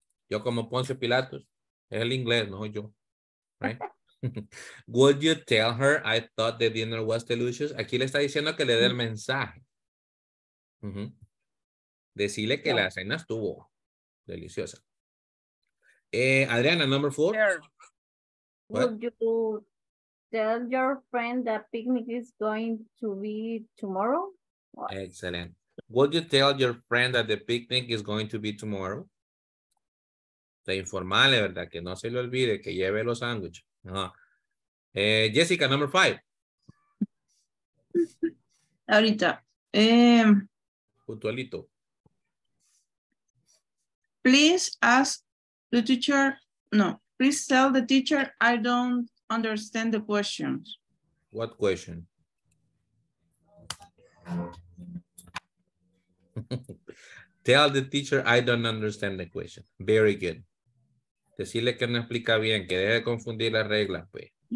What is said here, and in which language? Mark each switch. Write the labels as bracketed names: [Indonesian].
[Spanish] Yo como Poncio Pilatos, es el inglés, no yo. [English] Right? Would you tell her I thought the dinner was delicious? [Spanish] Aquí le está diciendo que le dé el mensaje. Uh-huh. Decirle que la cena estuvo deliciosa. [English] Adriana, number four. Would you tell your friend that picnic is going to be tomorrow? What? Excellent. Would you tell your friend that the picnic is going to be tomorrow? [Spanish] De informal, ¿verdad? Que no se le olvide, que lleve los sándwiches. [English] Uh-huh. Jessica, number five. [Spanish] Ahorita. Puntualito. [English] Please ask the teacher. No, please tell the teacher I don't understand the questions. What question? Tell the teacher I don't understand the question. Very good. [Spanish] Decirle que no explica bien, que deje de confundir las reglas, pues.